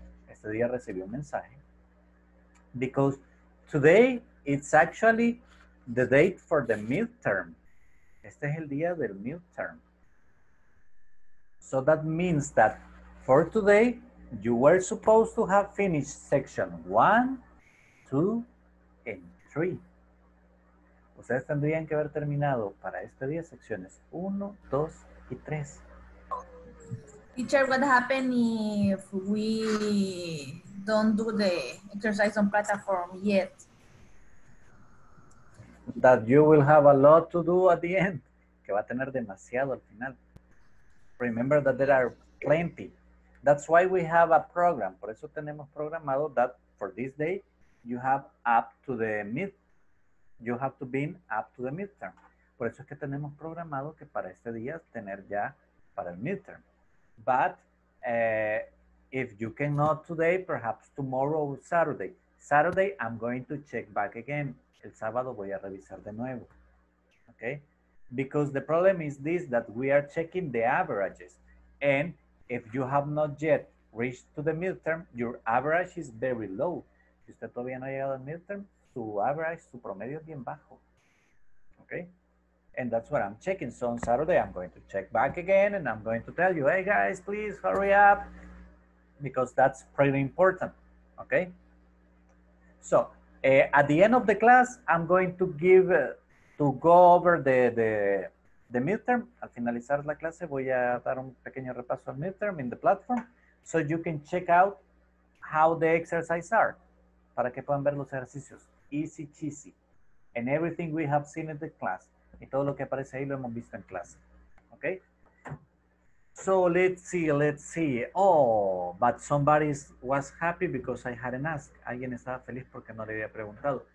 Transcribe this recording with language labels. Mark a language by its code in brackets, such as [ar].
[es] Este día recibí un mensaje. [en] Because today it's actually the date for the midterm. [es] Este es el día del midterm. [en] So that means that for today, you were supposed to have finished section 1, 2, and 3. [es] Ustedes tendrían que haber terminado para este día secciones 1, 2 y 3. [en] Teacher, what happened if we don't do the exercise on platform yet? That you will have a lot to do at the end. [es] Que va a tener demasiado al final. [en] Remember that there are plenty. That's why we have a program. [es] Por eso tenemos programado [en] that for this day, you have up to the mid. You have to be up to the midterm. [es] Por eso es que tenemos programado que para este día tener ya para el midterm. [en] But if you cannot today, perhaps tomorrow or Saturday. Saturday, I'm going to check back again. [es] El sábado voy a revisar de nuevo. [en] Okay? Because the problem is this, that we are checking the averages. And if you have not yet reached to the midterm, your average is very low. [es] Si usted todavía no ha llegado al midterm, su average, su promedio es bien bajo. [en] Okay? And that's what I'm checking. So on Saturday, I'm going to check back again and I'm going to tell you, hey guys, please hurry up, because that's pretty important, okay? So at the end of the class, I'm going to give, to go over the midterm. [es] Al finalizar la clase, voy a dar un pequeño repaso al midterm [en] in the platform so you can check out how the exercises are, [es] para que puedan ver los ejercicios. [en] Easy cheesy. And everything we have seen in the class. [es] Y todo lo que aparece ahí lo hemos visto en clase. [en] Ok. So let's see. Oh, but somebody was happy because I hadn't asked. [es] Alguien estaba feliz porque no le había preguntado.